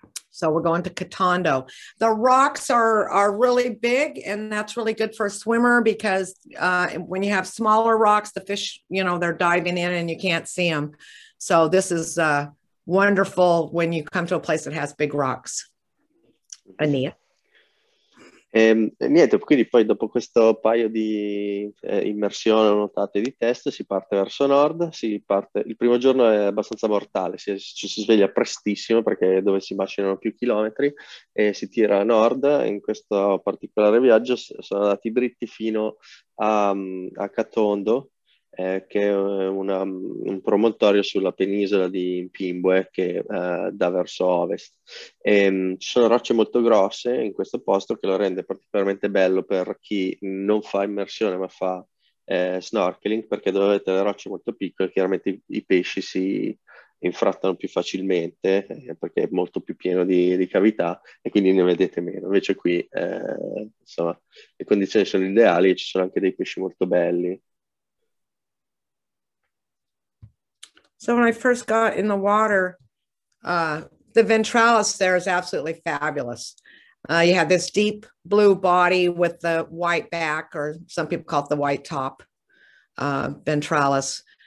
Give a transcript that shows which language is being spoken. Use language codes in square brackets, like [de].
[en] So we're going to Katondo. The rocks are really big, and that's really good for a swimmer because when you have smaller rocks, the fish, you know, they're diving in and you can't see them. So this is wonderful when you come to a place that has big rocks. Ania. [it] Niente, quindi poi dopo questo paio di immersione, nuotate di test, si parte verso nord. Il primo giorno è abbastanza mortale, ci si sveglia prestissimo perché dove si macinano più chilometri, e si tira a nord. In questo particolare viaggio sono andati dritti fino a Katondo, che è una, un promontorio sulla penisola di Pimbue che da verso ovest. E, ci sono rocce molto grosse in questo posto che lo rende particolarmente bello per chi non fa immersione ma fa snorkeling, perché dove avete le rocce molto piccole chiaramente i pesci si infrattano più facilmente perché è molto più pieno di cavità e quindi ne vedete meno. Invece qui insomma le condizioni sono ideali e ci sono anche dei pesci molto belli. [en] So when I first got in the water, the ventralis there is absolutely fabulous. You have this deep blue body with the white back, or some people call it the white top ventralis.